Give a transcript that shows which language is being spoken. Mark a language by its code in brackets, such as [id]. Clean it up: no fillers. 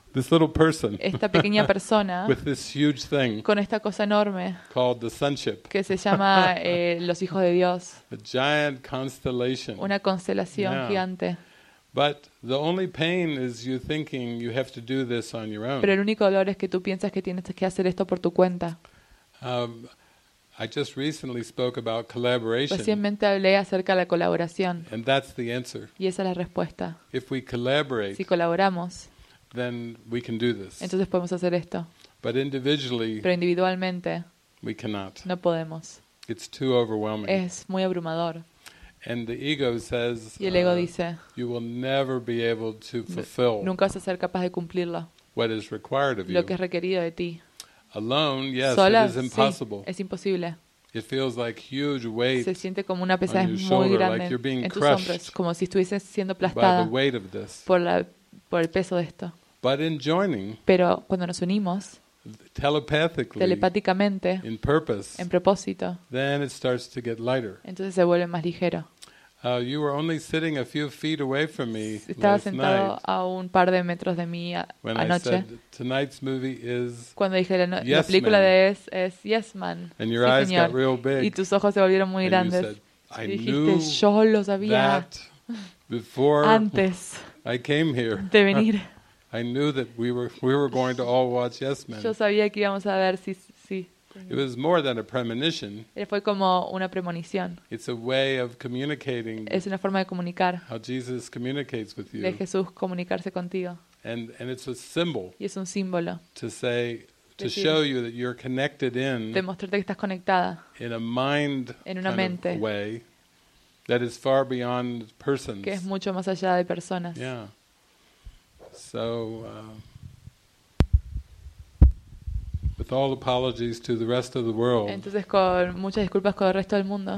[en] This little person. [es] Esta pequeña persona. [en] With this huge thing. [es] Con esta cosa enorme. [en] Called the sonship. [es] Que se llama los hijos de Dios. [en] A giant constellation. [es] Una constelación gigante. [en] But the only pain is you thinking you have to do this on your own. [es] Pero el único dolor es que tú piensas que tienes que hacer esto por tu cuenta. [en] I just recently spoke about collaboration. [es] Recientemente hablé acerca de la colaboración. [en] And that's the answer. [es] Y esa es la respuesta. [en] If we collaborate, [es] si colaboramos, [en] then we can do this. [es] Entonces podemos hacer esto. [en] But individually, [es] pero individualmente, [en] we cannot. [es] No podemos. [en] It's too overwhelming. [es] Es muy abrumador. [en] And the ego says, [es] y el ego dice, [en] you will never be able to fulfill. [es] Nunca vas a ser capaz de cumplirlo. [en] What is required of you? [es] Lo que es requerido de ti. [en] Alone, yes, [es] sola, [en] it is impossible. [es] Sí, es imposible. [en] It feels like huge weight. [es] Se siente como una pesadez [en] on your [es] grande [en] like you're being [es] en tus [en] crushed [es] hombros, como si estuvieses siendo aplastada [en] by the weight of this. [es] Por el peso de esto. [en] But in joining, [es] pero cuando nos unimos telepáticamente [en] in purpose, [es] en propósito, [en] then it starts to get lighter. [es] Entonces se vuelve más ligero. [en] You were only sitting a few feet away from me. [es] Estaba sentado a un par de metros de mí anoche. [en] Tonight's movie is. [es] Cuando dije la, la película de es Yes Man. [en] And your eyes got real big. [es] Y tus ojos se volvieron muy grandes. Y dijiste, yo lo sabía. [en] Before [es] antes. [en] I came here. [es] De venir. [en] I knew that we were going to all watch Yes Man. [es] Yo sabía que íbamos a ver si sí. [en] It was more than a premonition. [es] Fue como una premonición. [en] It's a way of communicating. [es] Es una forma de comunicar. [en] How Jesus communicates with you. [es] De Jesús comunicarse contigo. [en] And it's a symbol. [es] Y es un símbolo. [en] To say, to [es] decir, [en] show you that you're connected in. [es] Demostrarte que estás conectada. [en] In a mind. [es] En una [en] kind [es] mente. [en] Of way. That is far beyond persons. [es] Que es mucho más allá de personas. [en] Yeah. So. With all apologies to the rest of the world. [es] Entonces con muchas disculpas con el resto del mundo.